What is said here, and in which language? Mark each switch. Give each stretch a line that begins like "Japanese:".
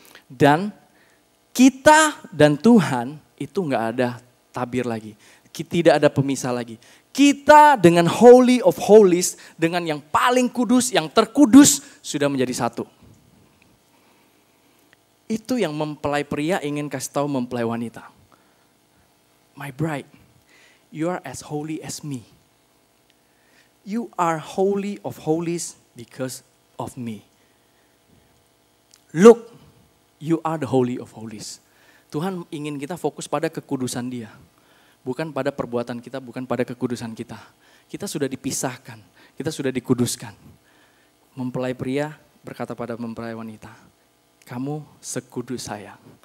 Indonesian: Dan kita dan Tuhan itu gak ada tabir lagi. Tidak ada pemisah lagi. Kita dengan Holy of Holies, dengan yang paling kudus, yang terkudus, sudah menjadi satu. Itu yang mempelai pria ingin kasih tahu mempelai wanita.
English: My bride, you are as holy as me. You are Holy of Holies because of me. Look, you are the Holy of Holies.
Indonesian: Tuhan ingin kita fokus pada kekudusan dia. Bukan pada perbuatan kita, bukan pada kekudusan kita. Kita sudah dipisahkan, kita sudah dikuduskan. Mempelai pria berkata pada mempelai wanita, kamu sekudus saya.